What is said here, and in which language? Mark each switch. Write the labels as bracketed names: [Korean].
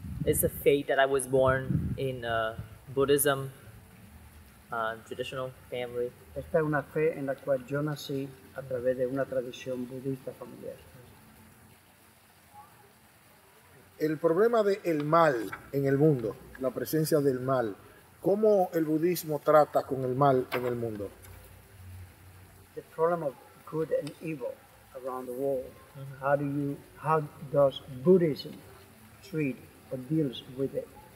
[English] It's a fate that I was born in a Buddhism, traditional family. [Spanish] Esta es una fe en la cual yo nací a través de una tradición budista familiar. El problema de el mal en el mundo, la presencia del mal, ¿cómo el budismo trata con el mal en el mundo? [English] The problem of good and evil around the world. Mm-hmm. How does Buddhism treat or deals with it?